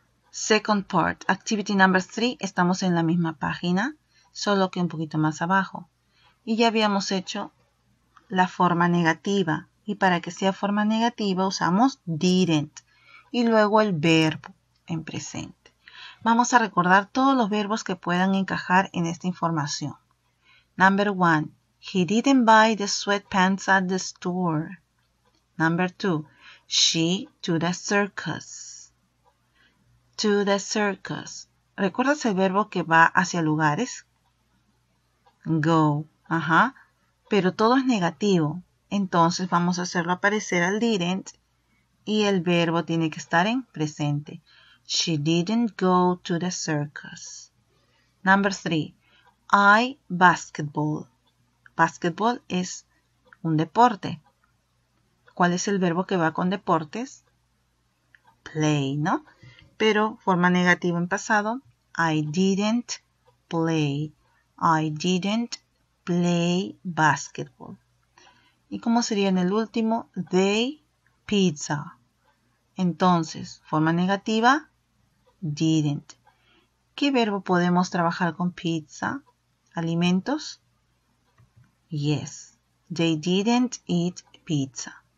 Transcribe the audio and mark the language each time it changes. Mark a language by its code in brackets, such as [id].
[en] Second part, activity number 3, [es] estamos en la misma página, solo que un poquito más abajo. Y ya habíamos hecho la forma negativa. Y para que sea forma negativa usamos didn't. Y luego el verbo en presente. Vamos a recordar todos los verbos que puedan encajar en esta información. [en] Number 1, he didn't buy the sweatpants at the store. Number 2, she to the circus. To the circus. [es] ¿Recuerdas el verbo que va hacia lugares? Go. Ajá. Pero todo es negativo. Entonces vamos a hacerlo aparecer al didn't. Y el verbo tiene que estar en presente. [en] She didn't go to the circus. Number 3. I basketball. Basketball [es] es un deporte. ¿Cuál es el verbo que va con deportes? Play, ¿no? Pero forma negativa en pasado, [en] I didn't play. I didn't play basketball. [es] ¿Y cómo sería en el último? [en] They pizza. [es] Entonces, forma negativa, didn't. ¿Qué verbo podemos trabajar con pizza? ¿Alimentos? [en] Yes, they didn't eat pizza.